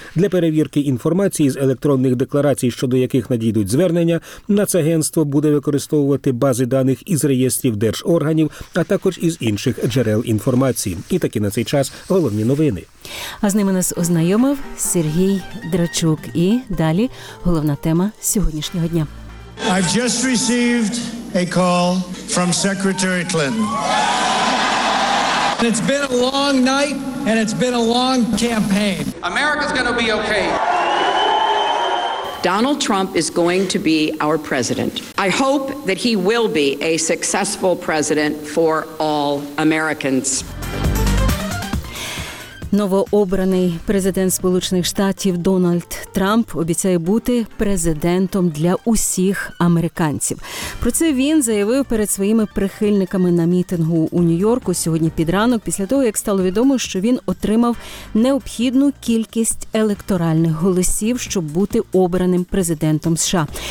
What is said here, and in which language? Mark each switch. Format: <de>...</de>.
<uk>Для перевірки інформації з електронних декларацій, щодо яких надійдуть звернення, Нацагентство буде використовувати бази даних із реєстрів держорганів, а також із інших джерел інформації. І так на цей час головні новини. А з ними нас ознайомив Сергій Драчук. І далі головна тема сьогоднішнього дня.</uk> <en>I've just received a call from Secretary Clinton. It's been a long night and it's been a long campaign. America's going to be okay. Donald Trump is going to be our president. I hope that he will be a successful president for all Americans.</en> <uk>Новообраний президент Сполучених Штатів Дональд Трамп обіцяє бути президентом для усіх американців. Про це він заявив перед своїми прихильниками на мітингу у Нью-Йорку сьогодні під ранок, після того, як стало відомо, що він отримав необхідну кількість електоральних голосів, щоб бути обраним президентом США.</uk>